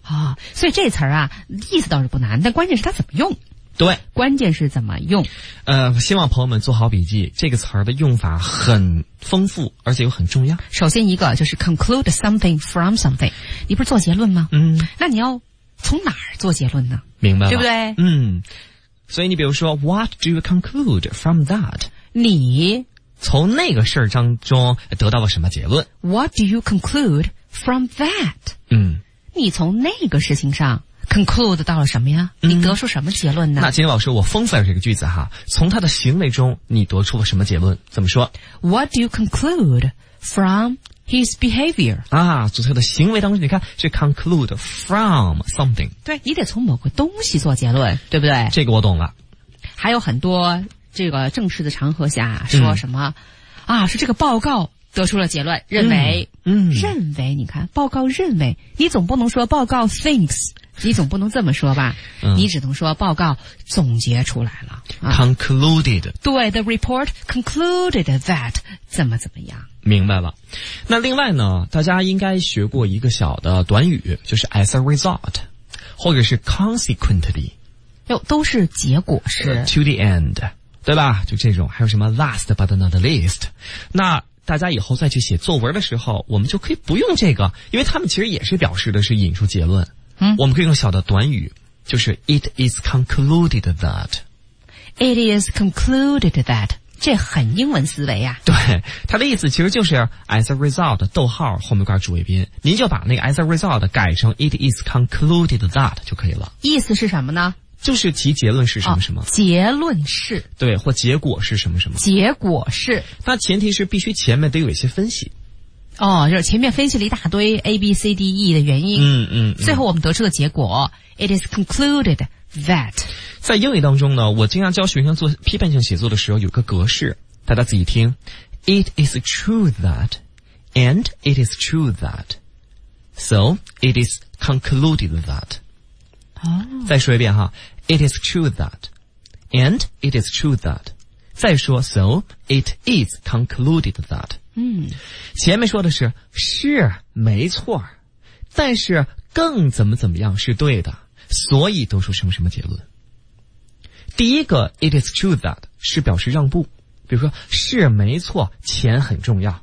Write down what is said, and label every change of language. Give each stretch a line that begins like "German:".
Chinese: 哦、所以这词儿啊，意思倒是不难，但关键是它怎么用，对，关键是怎么用。希望朋友们做好笔记，这个词儿的用法很丰富，而且又很重要。首先一个就是
English: conclude something from something，
Chinese: 你不是做结论吗？嗯，那你要从哪儿做结论呢？明白了，对不对？嗯，所以你比如说 ，
English: what do you conclude from that？
Chinese: 你从那个事儿当中得到了什么结论
English: ？What do you conclude from that？
Chinese: 嗯，你从那个事情上。 conclude 到了什么呀？你得出什么结论呢？嗯、那今天老师，我丰富了这个句子哈，从他的行为中，你得出了什么结论？怎么说
English: ？What do you conclude from his behavior？
Chinese: 啊，从他的行为当中，你看是
English: conclude from something。
Chinese: 对，你得从某个东西做结论，对不对？这个我懂了。还有很多这个正式的场合下说什么、嗯、啊？是这个报告。得出了结论，认为，认为，你看，报告认为，你总不能说报告 thinks， 你总不能这么说吧？嗯、你只能说报告总结出来了、啊、
English: ，concluded。对 ，the report concluded that
Chinese: 怎么怎么样？明白了。那另外呢，大家应该学过一个小的短语，就是 as a result， 或者是 consequently，哟，都是结果式
English: ，to the end， 对吧？
Chinese: 就这种，还有什么
English: last but not least，
Chinese: 那。大家以后再去写作文的时候，我们就可以不用这个，因为他们其实也是表示的是引出结论。嗯，我们可以用小的短语，就是
English: it is concluded that， it is concluded that，
Chinese: 这很英文思维呀、啊。对，它的意思其实就是
English: as a result，
Chinese: 逗号后面挂主谓宾，您就把那个 as a result 改成
English: it is concluded that
Chinese: 就可以了。意思是什么呢？就是其结论是什么什么、哦、结论是，对，或结果是什么什么，结果是，那前提是必须前面得有一些分析，哦，就是前面分析了一大堆 ABCDE 的原因，嗯 嗯, 嗯，最后我们得出的结果
English: It is concluded that。
Chinese: 在英语当中呢，我经常教学生做批判性写作的时候有个格式，大家仔细听，
English: It is true that and it is true that so it is concluded that。 Oh.
Chinese: 再说一遍哈
English: ，It is true that, and it is true that.
Chinese: 再说
English: ，So it is concluded that.
Chinese: 嗯，前面说的是没错，但是更怎么怎么样是对的，所以得出什么什么结论。第一个 ，It is true that 是表示让步，比如说是没错，钱很重要。